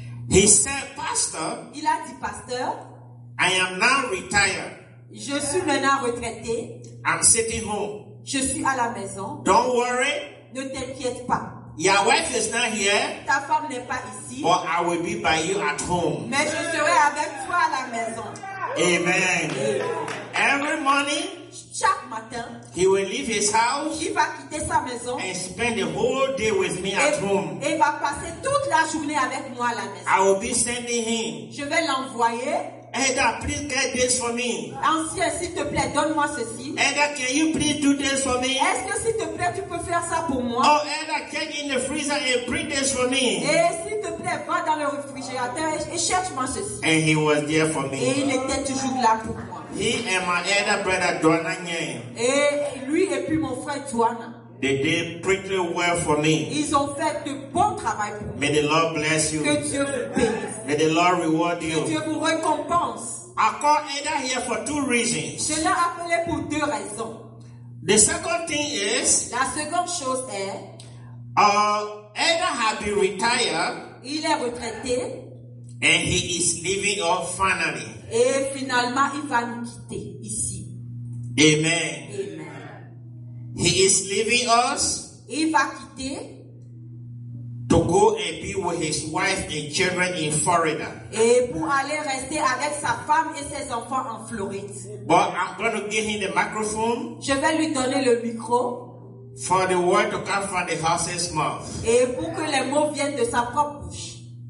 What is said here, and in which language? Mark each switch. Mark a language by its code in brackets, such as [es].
[en] He said, Pastor. [fr] Il a dit, Pasteur. [en] I am now retired. [fr] Je suis maintenant retraité. [en] I'm sitting home. [fr] Je suis à la maison. [en] Don't worry. [fr] Ne t'inquiète pas. [en] Your wife is not here. [fr] Ta femme n'est pas ici. [en] But I will be by you at home. [fr] Mais je serai avec toi à la maison. [en] Amen. Every morning, [fr] chaque matin, [en] he will leave his house. [fr] Il va quitter sa maison. [en] And spend the whole day with me at home. [fr] Et va passer toute la journée avec moi à la maison. [en] I will be sending him. [fr] Je vais l'envoyer. [en] Elder, please get this for me. [fr] Ancien, s'il te plaît, donne-moi ceci. [en] Elder, can you please do this for me? [fr] Est-ce que s'il te plaît, tu peux faire ça pour moi? [en] Oh, Elder, get in the freezer and bring this for me. [fr] Et s'il te plaît, va dans le réfrigérateur et cherche-moi ceci. [en] And he was there for me. [fr] Et il était toujours là pour moi. [en] He and my elder brother Duananye. [fr] Et lui et puis mon frère Duana. [en] They did pretty well for me. [fr] Ils ont fait de bon travail pour moi. [en] May the Lord bless you. [fr] Que Dieu bénisse. [en] May the Lord reward you. [fr] Que Dieu vous récompense. [en] I call Ada here for two reasons. [fr] Je l'ai appelé pour deux raisons. [en] The second thing is. [fr] La seconde chose est. [en] Ada has been retired. [fr] Il est retraité. [en] And he is leaving off finally. [fr] Et finalement, il va nous quitter ici. [en] Amen. He is leaving us. [fr] Il va quitter. [en] To go and be with his wife and children in Florida. [fr] Et pour aller rester avec sa femme et ses enfants en Floride. [en] But I'm going to give him the microphone. [fr] Je vais lui donner le micro. [en] For the word to come from the horse's mouth. [fr] Et pour que les mots viennent de sa propre bouche.